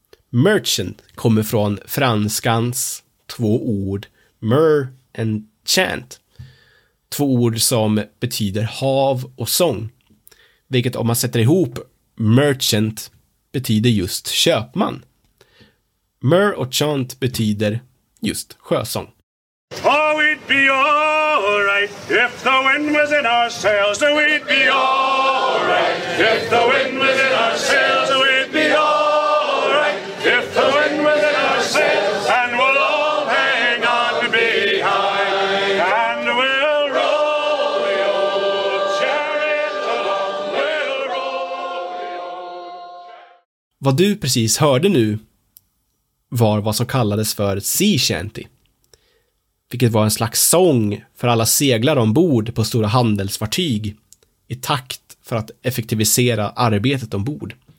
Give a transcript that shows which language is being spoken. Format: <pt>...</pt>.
<sv>Merchant kommer från franskans två ord, mer and chant. Två ord som betyder hav och sång. Vilket om man sätter ihop merchant betyder just köpman. Mer och chant betyder just sjösång.</sv> <en>Oh, we'd be alright if the wind was in our sails. So we'd be alright if the wind was in our sails. So we'd be alright if the wind was in our sails. And we'll all hang on behind, and we'll roll the old chariot along. We'll roll the old.</en> <sv>Vad du precis hörde nu var vad som kallades för sea shanty, vilket var en slags sång för alla seglare ombord på stora handelsfartyg i takt för att effektivisera arbetet ombord.</sv>